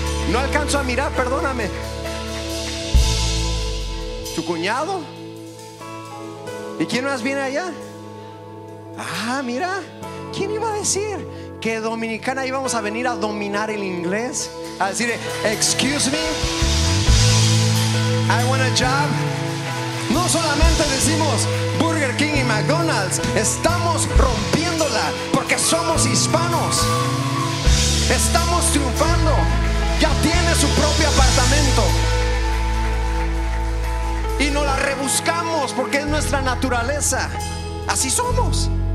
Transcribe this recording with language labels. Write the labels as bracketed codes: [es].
[es] No alcanzo a mirar, perdóname. Tu cuñado. ¿Y quién más viene allá? Ah, mira. ¿Quién iba a decir que dominicana íbamos a venir a dominar el inglés? A decir, [en] excuse me, I want a job. [es] No solamente decimos Burger King y McDonald's, estamos rompiéndola porque somos hispanos. Estamos triunfando. Ya tiene su propio apartamento y nos la rebuscamos porque es nuestra naturaleza. Así somos.